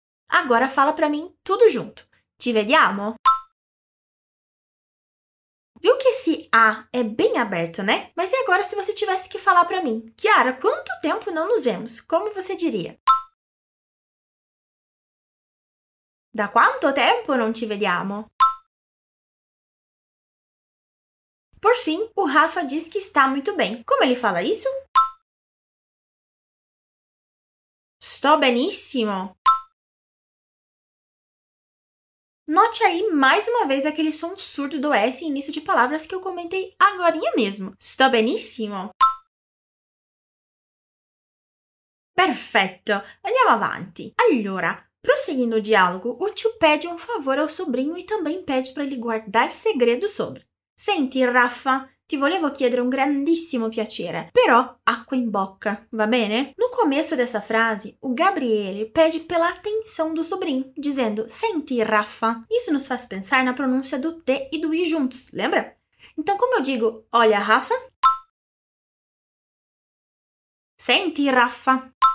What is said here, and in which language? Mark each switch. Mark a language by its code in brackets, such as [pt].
[pt] Agora fala para mim tudo junto. [it] Ti vediamo. [pt] Viu que esse A é bem aberto, né? Mas e agora se você tivesse que falar para mim? Chiara, quanto tempo não nos vemos? Como você diria? [it] Da quanto tempo non ci vediamo? [pt] Por fim, o Rafa diz que está muito bem. Como ele fala isso? [it] Sto benissimo. [pt] Note aí mais uma vez aquele som surdo do S em início de palavras que eu comentei agorinha mesmo. [it] Sto benissimo. Perfetto. Andiamo avanti. Allora. [pt] Prosseguindo o diálogo, o tio pede um favor ao sobrinho e também pede para ele guardar segredo sobre. [it] Senti, Rafa, ti volevo chiedere un grandissimo piacere, però acqua in bocca, va bene? [pt] No começo dessa frase, o Gabriele pede pela atenção do sobrinho, dizendo senti, Rafa. Isso nos faz pensar na pronúncia do T e do I juntos, lembra? Então, como eu digo, olha, Rafa. [it] Senti, Rafa.